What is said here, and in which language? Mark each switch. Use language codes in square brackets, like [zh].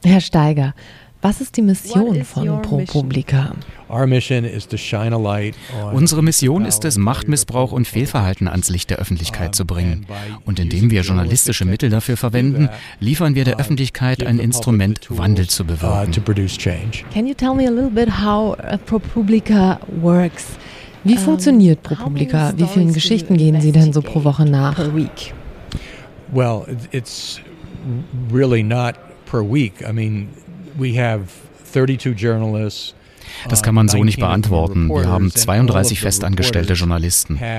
[de] Herr Steiger, was ist die Mission von ProPublica? Unsere Mission ist es, Machtmissbrauch und Fehlverhalten ans Licht der Öffentlichkeit zu bringen. Und indem wir journalistische Mittel dafür verwenden, liefern wir der Öffentlichkeit ein Instrument, Wandel zu bewirken. [en] Can you tell me a little bit how ProPublica works? [de] Wie funktioniert ProPublica? Wie vielen Geschichten gehen Sie denn so pro Woche nach? [en] Well, it's really not per week. I mean, we have 32 journalists. [de] Das kann man so nicht beantworten. Wir haben 32 festangestellte Journalisten.